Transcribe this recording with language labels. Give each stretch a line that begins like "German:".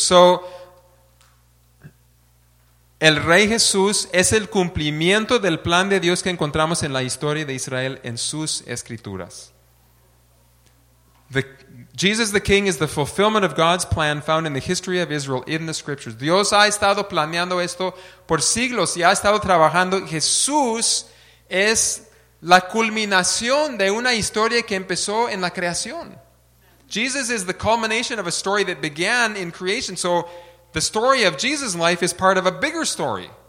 Spanish: So, el Rey Jesús es el cumplimiento del plan de Dios que encontramos en la historia de Israel en sus Escrituras.
English: Jesus the King is the fulfillment of God's plan found in the history of Israel in the Scriptures.
Spanish: Dios ha estado planeando esto por siglos y ha estado trabajando. Jesús es la culminación de una historia que empezó en la creación.
English: Jesus is the culmination of a story that began in creation. So the story of Jesus' life is part of a bigger story.